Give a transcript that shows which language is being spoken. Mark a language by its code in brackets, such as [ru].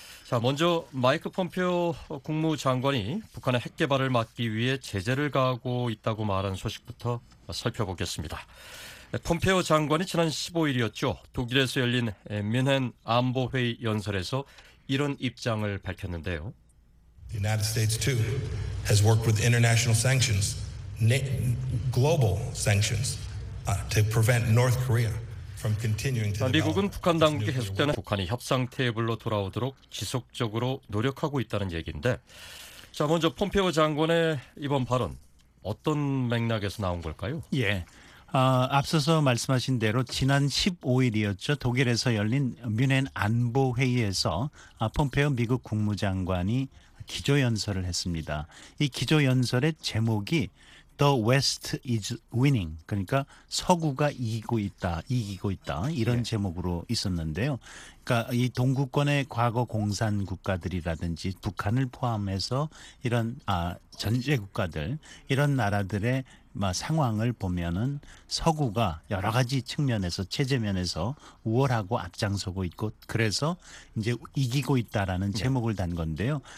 [ko] 자, 먼저 마이크 폼페오 국무장관이 북한의 핵 개발을 막기 위해 제재를 가하고 있다고 말한 소식부터 살펴보겠습니다. 폼페오 장관이 지난 15일이었죠. 독일에서 열린 뮌헨 안보회의 연설에서 이런 입장을 밝혔는데요. [en] The United States too has worked with international sanctions, global sanctions to prevent North Korea from continuing to develop. [ko] 미국은 북한 당국이 계속되는 북한이 협상 테이블로 돌아오도록 지속적으로 노력하고 있다는 얘기인데, 자 먼저 폼페오 장관의 이번 발언 어떤 맥락에서 나온 걸까요? 예. 앞서서 말씀하신 대로 지난 15일이었죠. 독일에서 열린 뮌헨 안보회의에서 폼페오 미국 국무장관이 기조연설을 했습니다. 이 기조연설의 제목이 [en] The West is winning. [ko] 그러니까 서구가 이기고 있다. 이런 네. 제목으로 있었는데요. 그러니까 이 동구권의 과거 공산 국가들이라든지 북한을 포함해서 이런 전제 국가들, 이런 나라들의 상황을 보면은 서구가 여러 가지 측면에서 체제면에서 우월하고 앞장서고 있고 그래서 이제 이기고 있다라는 제목을 단 건데요.